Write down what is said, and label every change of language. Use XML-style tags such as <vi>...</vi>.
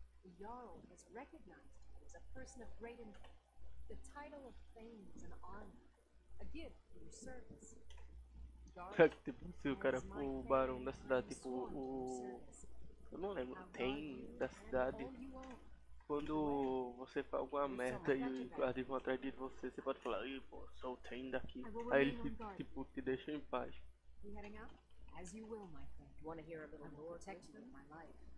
<en>The Jarl has recognized you as a person of great importance. The title of Thane is an honor, a gift for your service.</en> <pt>Será que, tipo, se o cara for o barão da cidade, tipo, o. Eu não lembro, tem da cidade. Quando você faz alguma merda e os guardas vão atrás de você, você pode falar, ih, pô, sou o Thane daqui. Aí ele, tipo, te deixa em paz.</pt> <en>As you will, my friend. You want to hear a little more texture of my life?</en>